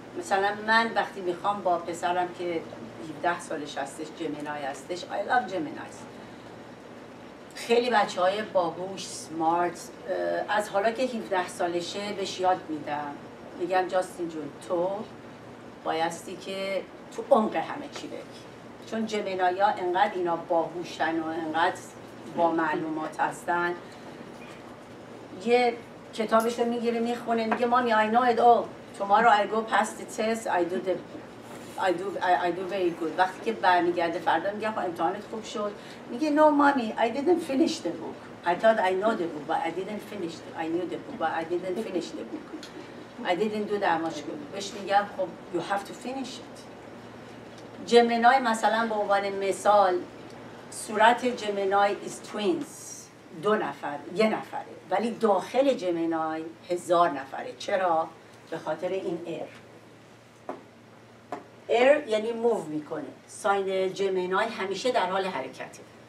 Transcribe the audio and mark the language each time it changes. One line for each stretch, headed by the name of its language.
Persian: مثلا من وقتی میخوام با پسرم که 17 سالش هستش جمنای هستش،
English: I love
Persian: جمنای، خیلی بچه های باهوش، سمارت، از حالا که 17 سالشه بهش یاد میدم، میگم جاستین جون تو بایستی که تو عمق همه چی بگی، چون جمنایا انقدر اینا باهوشن و انقدر با معلومات هستن. یه کتابش رو میگیره میخونه، میگه مامی
English: I know it all، tomorrow I go past the test I do the I do very good.
Persian: وقتی که برمیگرده فردا میگه خب امتحانت خوب شد. میگه
English: no mommy, I didn't finish the book. I thought I know the book, but I didn't finish it. I knew the book, but I didn't finish the book. I didn't do that much good.
Persian: بهش میگم خب
English: you have to finish it.
Persian: جمنای مثلا به عنوان مثال صورت جمنای
English: is twins.
Persian: دو نفر، یه نفره. ولی داخل جمنای هزار نفره. چرا؟ به خاطر این ایر. ایر یعنی موو میکنه. ساین جمنای همیشه در حال حرکته.